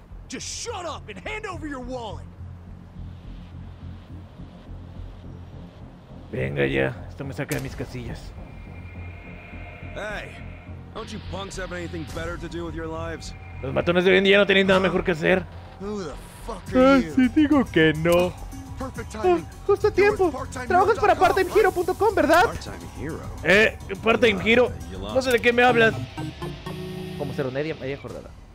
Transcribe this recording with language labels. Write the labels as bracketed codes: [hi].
[en] Just shut up and hand over your wallet. [es] Venga ya, esto me saca de mis casillas. [en] Hey, don't you punks have anything better to do with your lives? [es] Los matones de hoy en día no tienen nada mejor que hacer. Si digo que no. Justo a tiempo. Trabajas para parttimehero.com, ¿verdad? Part-time hero. No sé de qué me hablas. Como ser un media jornada.